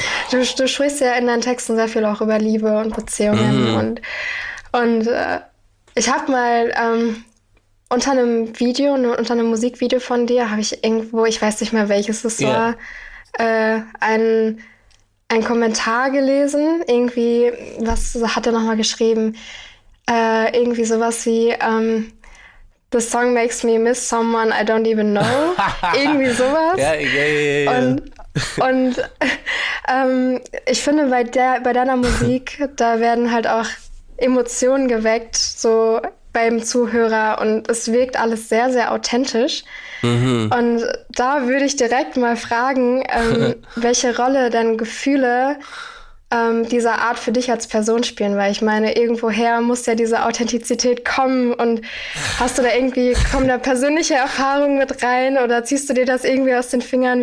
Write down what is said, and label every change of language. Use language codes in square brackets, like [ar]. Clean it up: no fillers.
[de] Du sprichst ja in deinen Texten sehr viel auch über Liebe und Beziehungen und ich habe mal unter einem Video, unter einem Musikvideo von dir, habe ich irgendwo, ich weiß nicht mehr welches es war, einen Kommentar gelesen. Irgendwie, was hat er nochmal geschrieben? Irgendwie sowas wie, [en] The song makes me miss someone I don't even know. [de] Irgendwie sowas. Ich finde, bei deiner Musik, da werden halt auch Emotionen geweckt, so beim Zuhörer und es wirkt alles sehr, sehr authentisch. Und da würde ich direkt mal fragen, welche Rolle denn Gefühle dieser Art für dich als Person spielen, weil ich meine, irgendwoher muss ja diese Authentizität kommen und hast du da irgendwie, kommen da persönliche Erfahrungen mit rein oder ziehst du dir das irgendwie aus den Fingern?